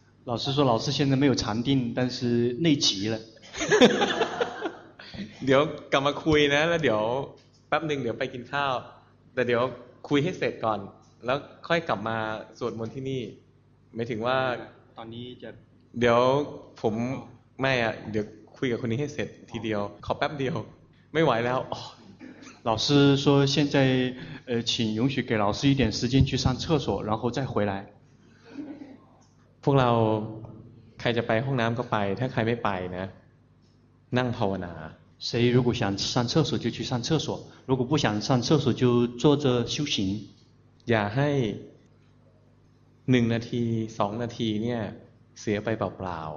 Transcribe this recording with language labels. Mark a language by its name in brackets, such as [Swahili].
[Chinese] 老师说老师现在没有禅定，但是内急了。 [Thai] เดี๋ยวกลับมาคุยนะแล้วเดี๋ยวแป๊บนึงเดี๋ยวไปกินข้าวแต่เดี๋ยวคุยให้เสร็จก่อนแล้วค่อยกลับมาสวดมนต์ที่นี่หมายถึงว่า ตอนนี้จะ เดี๋ยวผมไม่อ่ะเดี๋ยวคุยกับคนนี้ให้เสร็จทีเดียวขอแป๊บเดียวไม่ไหวแล้ว [Chinese] 老师说现在请允许给老师一点时间去上厕所然后再回来 [Thai] พวกเราใครจะไปห้องน้ำก็ไปถ้าใครไม่ไปนะนั่งภาวนา [Chinese] 谁如果想上厕所就去上厕所如果不想上厕所就坐着修行 [Thai] อย่าให้หนึ่งนาทีสองนาทีเนี่ยเสียไปเปล่า